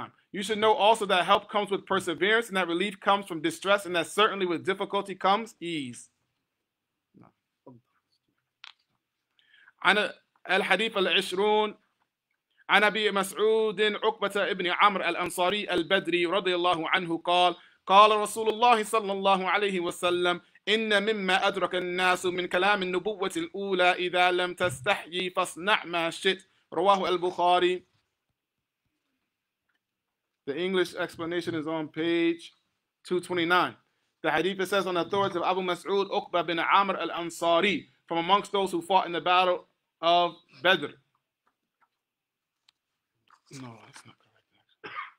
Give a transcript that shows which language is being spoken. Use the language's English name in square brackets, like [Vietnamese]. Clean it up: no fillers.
[English] You should know also that help comes with perseverance, and that relief comes from distress, and that certainly with difficulty comes ease. [Arabic] عن الحديث العشرون عن أبي مسعود عقبة ابن عمرو الأنصاري البدري رضي الله عنه قال قال رسول الله صلى الله عليه وسلم إن مما أدرك الناس من كلام النبوة الأولى إذا لم تستحي فاصنع ما شئت رواه البخاري. [English] The English explanation is on page 229. The hadith says on authority of Abu Mas'ud Uqba bin Amr al-Ansari from amongst those who fought in the battle of Badr. No, that's not correct.